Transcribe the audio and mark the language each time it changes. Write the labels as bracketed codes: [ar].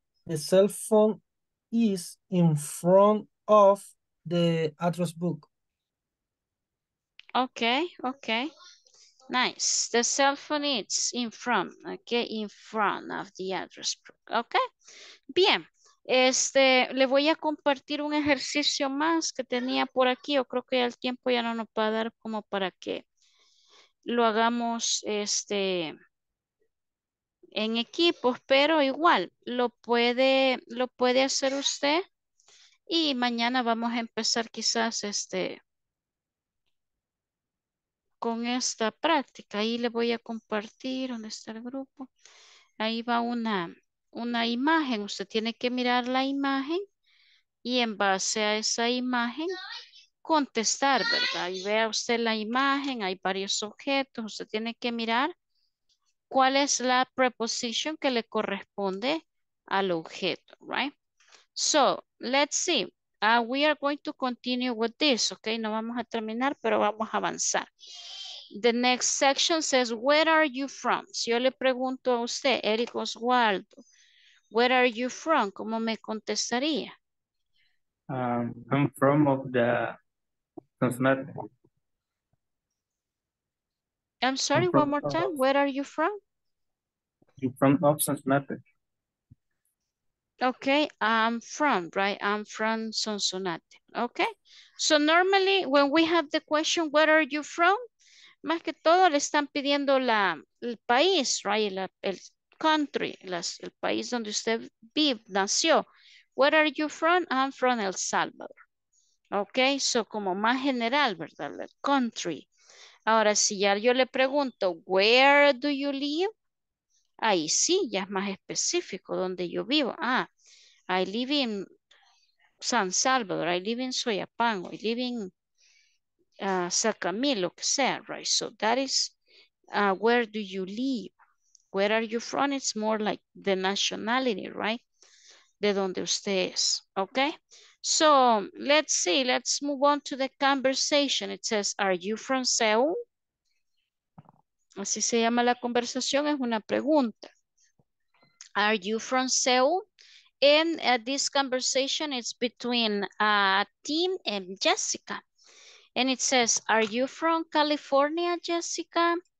[en] The cell phone is in front of the address book. Okay, okay. Nice. The cell phone is in front, okay, in front of the address book. [es] Okay. Bien. Este, le voy a compartir un ejercicio más que tenía por aquí. Yo creo que el tiempo ya no nos va a dar como para que lo hagamos este en equipos, pero igual lo puede hacer usted y mañana vamos a empezar quizás este con esta práctica. Ahí le voy a compartir dónde está el grupo. Ahí va una imagen. Usted tiene que mirar la imagen y en base a esa imagen contestar, ¿verdad? Ahí vea usted la imagen, hay varios objetos. Usted tiene que mirar cuál es la preposición que le corresponde al objeto, [en] right? So, let's see. We are going to continue with this, okay? [es] No vamos a terminar, pero vamos a avanzar. [en] The next section says, where are you from? [es] Si yo le pregunto a usted, Eric Oswaldo, [en] where are you from? [es] ¿Cómo me contestaría? [en] I'm from of the Cincinnati. I'm sorry, I'm from, one more time. Where are you from? You're from of Cincinnati. Okay, I'm from, right? I'm from Cincinnati. Okay, so normally when we have the question, where are you from? [es] Más que todo le están pidiendo el país, [en] right? [es] El country, el país donde usted vive, nació. [en] Where are you from? I'm from El Salvador. Okay, so [es] como más general, ¿verdad? [en] El country. [es] Ahora, si ya yo le pregunto, [en] where do you live? [es] Ahí sí, ya es más específico donde yo vivo. [en] Ah, I live in San Salvador, I live in Soyapango, I live in Sacamil, [es] lo que sea, [en] right? So that is, where do you live? Where are you from? It's more like the nationality, right? [es] De donde usted es, [en] okay? So let's see, let's move on to the conversation. It says, are you from Seoul? [es] Así se llama la conversación, es una pregunta. [en] Are you from Seoul? And this conversation is between Tim and Jessica. And it says, are you from California, Jessica?